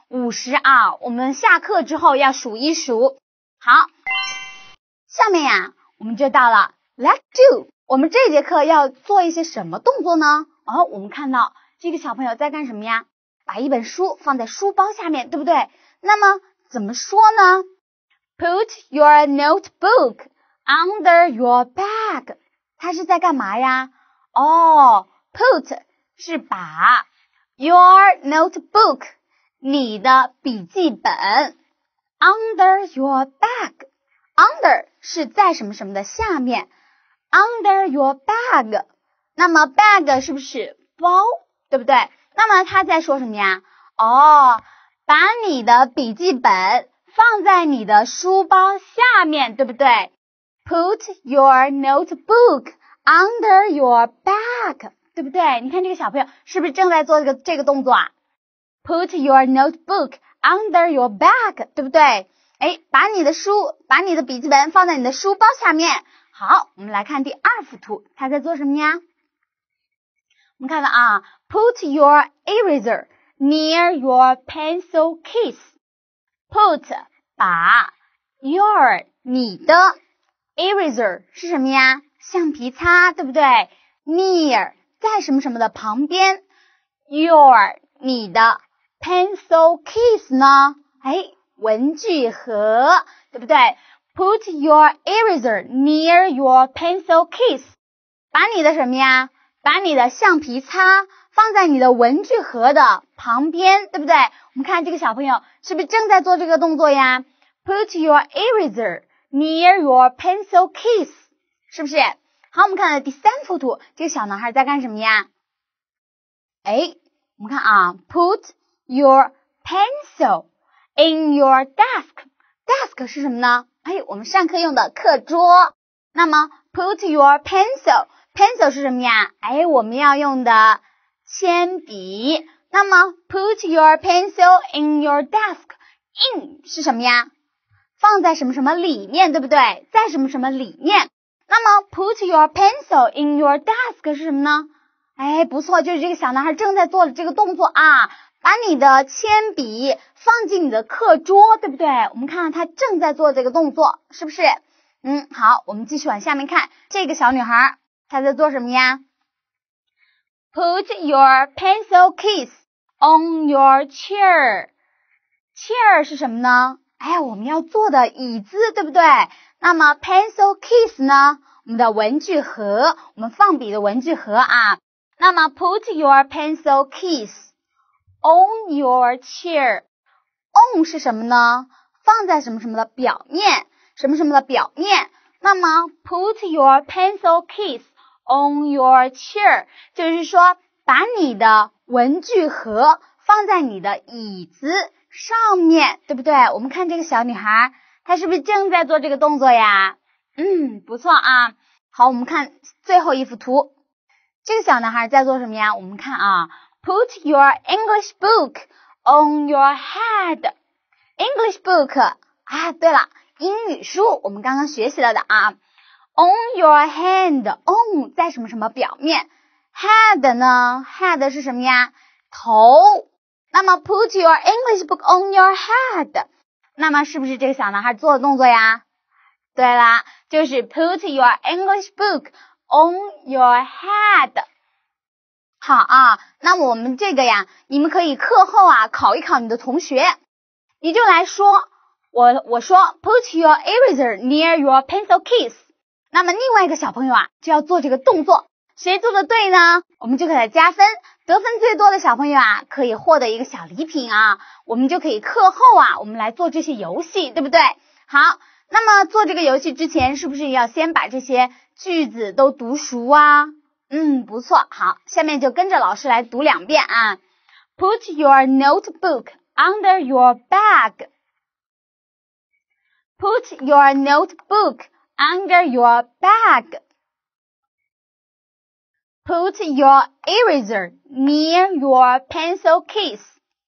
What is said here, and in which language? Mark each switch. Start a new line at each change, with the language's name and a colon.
Chinese: 50啊，我们下课之后要数一数。好，下面呀，我们就到了 Let's do，我们这节课要做一些什么动作呢？哦，我们看到这个小朋友在干什么呀？把一本书放在书包下面，对不对？那么怎么说呢？
English: Put your notebook under your bag，它是在干嘛呀？
Chinese: 哦， put 是把 your notebook 你的笔记本 under your bag， under 是在什么什么的下面， Under your bag，那么 bag 是不是包，对不对？那么他在说什么呀？哦，把你的笔记本放在你的书包下面，对不对？
English: Put your notebook under your bag，对不对？
Chinese: 你看这个小朋友是不是正在做这个动作啊？
English: Put your notebook under your bag，对不对？
Chinese: 哎，把你的笔记本放在你的书包下面。好，我们来看第二幅图，他在做什么呀？
English: 我们看到啊， put your eraser near your pencil case， put 把 your 你的 eraser 是什么呀？
Chinese: 橡皮擦，对不对？ near 在什么什么的旁边， your 你的 pencil case 呢？哎，文具盒，对不对？
English: Put your eraser near your pencil case，把你的什么呀？
Chinese: 把你的橡皮擦放在你的文具盒的旁边，对不对？我们看这个小朋友是不是正在做这个动作呀？
English: Put your eraser near your pencil case，是不是？
Chinese: 好，我们看到第三幅图，这个小男孩在干什么呀？
English: 哎，我们看啊， Put your pencil in your desk， desk 是什么呢？
Chinese: 哎，我们上课用的课桌。那么 put your pencil 是什么呀？哎，我们要用的铅笔。
English: 那么 put your pencil in your desk， in 是什么呀？
Chinese: 放在什么什么里面，对不对？在什么什么里面。
English: 那么 put your pencil in your desk 是什么呢？
Chinese: 哎，不错，就是这个小男孩正在做的这个动作啊，把你的铅笔放进你的课桌，对不对？我们看到他正在做这个动作，是不是？嗯，好，我们继续往下面看，这个小女孩她在做什么呀？
English: Put your pencil case on your chair， chair 是什么呢？
Chinese: 哎，我们要坐的椅子，对不对？那么 pencil case 呢，我们的文具盒，我们放笔的文具盒啊。
English: 那么 put your pencil case on your chair， on 是什么呢？
Chinese: 放在什么什么的表面，什么什么的表面。那么 put your pencil case on your chair 就是说把你的文具盒放在你的椅子上面，对不对？我们看这个小女孩她是不是正在做这个动作呀？嗯，不错啊。好，我们看最后一幅图，这个小男孩在做什么呀？我们看啊， Put your English book on your head， English book 啊，对了，英语书，我们刚刚学习了的啊。 On your hand， on 在什么什么表面， head 呢， head 是什么呀？头。那么 put your English book on your head，那么是不是这个小男孩做的动作呀？
English: 对了，就是 put your English book on your head。
Chinese: 好啊，那么我们这个呀，你们可以课后啊考一考你的同学，
English: 你就来说，我说 put your eraser near your pencil case。
Chinese: 那么另外一个小朋友啊，就要做这个动作，谁做的对呢？我们就给他加分，得分最多的小朋友啊，可以获得一个小礼品啊，我们就可以课后啊，我们来做这些游戏，对不对？好，那么做这个游戏之前，是不是要先把这些句子都读熟啊？嗯，不错，好，下面就跟着老师来读两遍啊。
English: Put your notebook under your bag. Put your notebook under your bag. Put your eraser near your pencil case.